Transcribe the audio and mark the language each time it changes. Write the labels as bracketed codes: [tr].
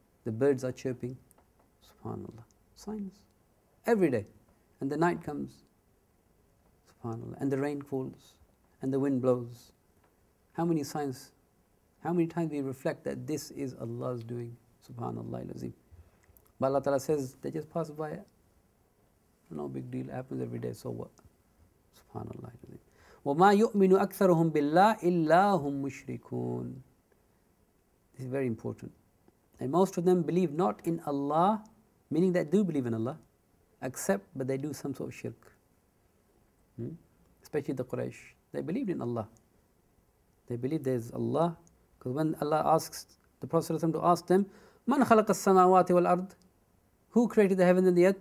[en] The birds are chirping. SubhanAllah. Signs. Every day. And the night comes. SubhanAllah. And the rain falls. And the wind blows. How many signs? How many times we reflect that this is Allah's doing? SubhanAllah al-Azim. But Allah Ta'ala says, they just pass by. No big deal. It happens every day. So what? SubhanAllah al-Azim. [ar] وَمَا يُؤْمِنُ أَكْثَرُهُمْ بِاللَّهِ إِلَّا هُمْ مُشْرِكُونَ [en] This is very important. And most of them believe not in Allah, meaning they do believe in Allah, except but they do some sort of shirk. Especially the Quraysh. They believed in Allah. They believe there is Allah. Because when Allah asks the Prophet ﷺ to ask them, [ar] مَنْ خَلَقَ السَّمَاوَاتِ وَالْأَرْضِ [en] Who created the heaven and the earth?